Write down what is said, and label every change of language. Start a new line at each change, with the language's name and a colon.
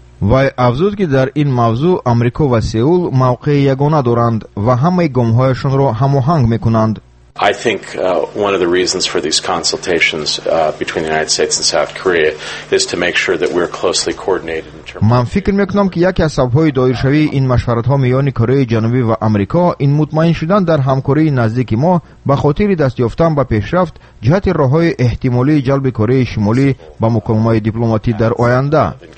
Persian: و افزود که در این موضوع آمریکا و سئول موقع یگانه دارند و همه گام‌هایشان را هماهنگ می‌کنند.
English: I think one of the reasons for these consultations between the United States and South Korea is to make sure that we're closely coordinated in terms.
Persian: من فکر میکنم که یکی از سبب‌های دایرشوی این مشورت ها میان کره جنوبی و آمریکا این مطمئن شدن در همکاری نزدیک ما به خاطر دست یافتن به پیشرفت جهت راه های احتمالی جلب کره شمالی به مکالمه دیپلماتیک در آینده.